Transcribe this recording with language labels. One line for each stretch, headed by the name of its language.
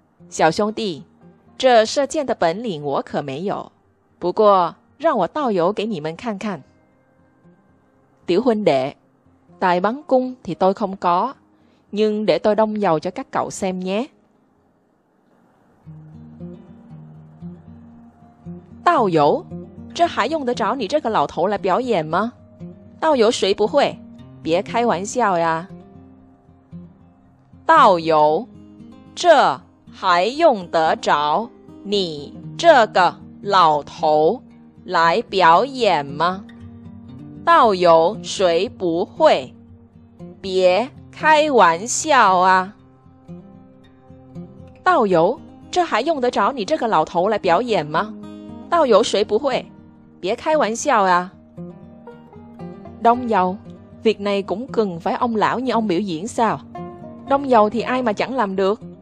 Chinese: 小兄弟, 这射箭的本领我可没有, 不过, 让我倒油给你们看看。
Vietnamese: Tiểu huynh đệ, tài bắn cung thì tôi không có, nhưng để tôi đông dầu cho các cậu xem nhé.
Chinese: 倒油? 这还用得着你这个老头来表演吗? 倒油谁不会?别开玩笑呀。倒油, 这 还用得着你这个老头来表演吗? 道友谁不会?别开玩笑啊! 道友, 这还用得着你这个老头来表演吗? 道友谁不会?别开玩笑啊!
Vietnamese: Đông dầu, việc này cũng cần phải ông lão như ông biểu diễn sao? Đông dầu thì ai mà chẳng làm được?